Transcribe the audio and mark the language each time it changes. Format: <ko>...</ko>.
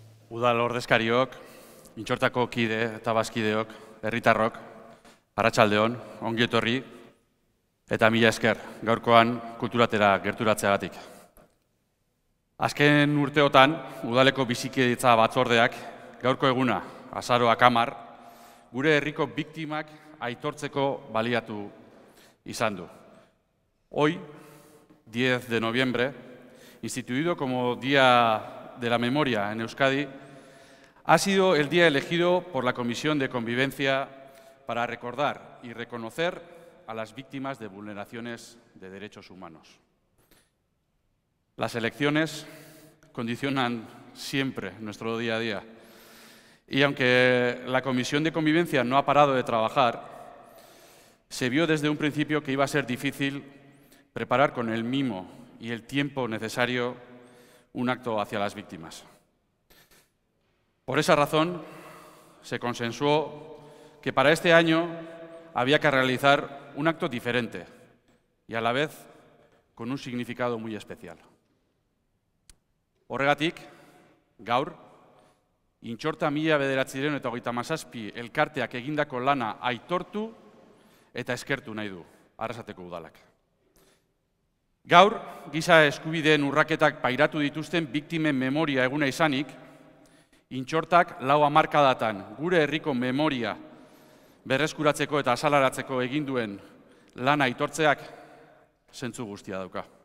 <eu>Udal ordezkariok, intxortako kide eta bazkideok, herritarrok, arratsaldeon, ongi etorri, eta mila esker gaurkoan kulturatera gerturatzeagatik. Azken urteotan, udaleko bizikidetza batzordeak, gaurko eguna, azaroak 10, gure herriko biktimak aitortzeko baliatu izan du.</eu> <es>Hoy, 10 de noviembre, instituido como Día de la Memoria en Euskadi, ha sido el día elegido por la Comisión de Convivencia para recordar y reconocer a las víctimas de vulneraciones de derechos humanos. Las elecciones condicionan siempre nuestro día a día. Y aunque la Comisión de Convivencia no ha parado de trabajar, se vio desde un principio que iba a ser difícil preparar con el mimo y el tiempo necesario un acto hacia las víctimas. Por esa razón, se consensuó que para este año había que realizar un acto diferente y a la vez con un significado muy especial.</es> <eu>Horregatik, gaur, intxorta 1937 elkarteak egindako lana aitortu eta eskertu nahi du, Arrasateko udalak. Gaur, giza eskubideen urraketak pairatu dituzten biktimen memoria eguna izanik, intxortak 40 hamarkadatan gure herriko memoria berreskuratzeko eta azalaratzeko eginduen lana aitortzeak zentzu guztia dauka.</eu>